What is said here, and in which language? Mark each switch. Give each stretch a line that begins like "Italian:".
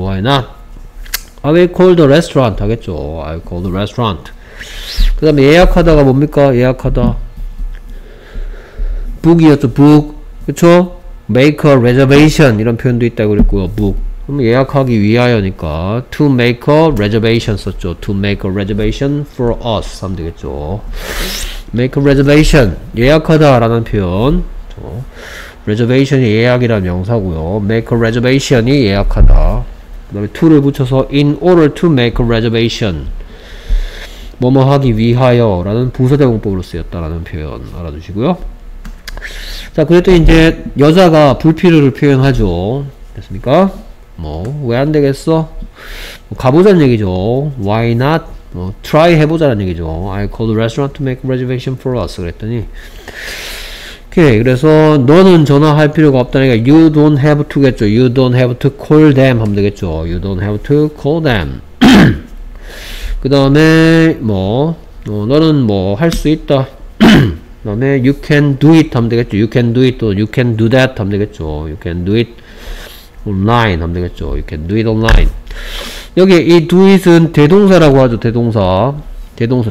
English: why not? I will call the restaurant
Korean: 하겠죠.
English: I will call the restaurant.
Korean: 그 다음에 예약하다가 뭡니까? 예약하다. book이었죠. book. 그쵸?
English: make a reservation
Korean: 이런 표현도 있다고 그랬고요. book. 그럼 예약하기 위하여니까
English: to make a reservation
Korean: 썼죠.
English: to make a reservation for us
Korean: 하면 되겠죠.
English: make a reservation.
Korean: 예약하다 라는 표현. 그쵸? reservation이 예약이라는 명사고요.
English: make a reservation
Korean: 이 예약하다. 그 다음에 to를 붙여서
English: in order to make a reservation
Korean: 뭐뭐 하기 위하여 라는 부사대공법으로 쓰였다라는 표현 알아두시고요. 자, 그랬더니 이제 여자가 불필요를 표현하죠. 됐습니까? 뭐 왜 안되겠어? 뭐, 가보자는 얘기죠.
English: Why not?
Korean: 뭐, try 해보자는 얘기죠.
English: I called the restaurant to make a reservation for us.
Korean: 그랬더니 오케이, 그래서 너는 전화할 필요가 없다는 게
English: You don't have to
Korean: 겠죠.
English: You don't have to call them
Korean: 하면 되겠죠.
English: You don't have to call them.
Korean: 그 다음에 뭐 너는 뭐 할 수 있다.
English: 그 다음에 You can do it
Korean: 하면 되겠죠.
English: You can do it 또 You can do that 하면 되겠죠. You can do it online
Korean: 하면 되겠죠.
English: You can do it online.
Korean: 여기 이 do it은 대동사라고 하죠. 대동사. 대동사.